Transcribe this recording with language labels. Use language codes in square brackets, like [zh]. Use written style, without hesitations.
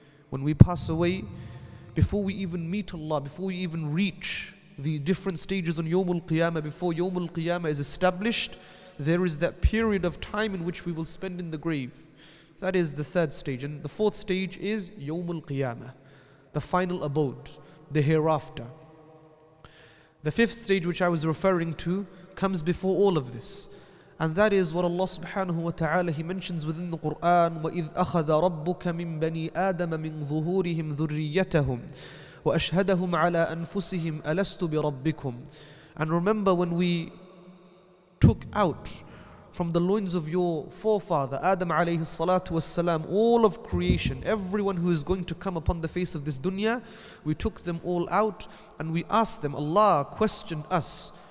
[en] When we pass away, before we even meet Allah, before we even reach the different stages on Yawmul Qiyamah, before Yawmul Qiyamah is established, there is that period of time in which we will spend in the grave. That is the third stage. And the fourth stage is Yawmul Qiyamah, the final abode, the hereafter. The fifth stage, which I was referring to, comes before all of this. And that is what Allah subhanahu wa ta'ala, He mentions within the Quran, [ar] وَإِذْ أَخَذَ رَبُّكَ مِنْ بَنِي آدَمَ مِنْ ظُهُورِهِمْ ذُرِّيَّتَهُمْ وَأَشْهَدَهُمْ عَلَىٰ أَنفُسِهِمْ أَلَسْتُ بِرَبِّكُمْ. [en] And remember when we took out from the loins of your forefather, Adam alayhi salatu wasalam, all of creation, everyone who is going to come upon the face of this dunya, we took them all out and we asked them, Allah questioned us.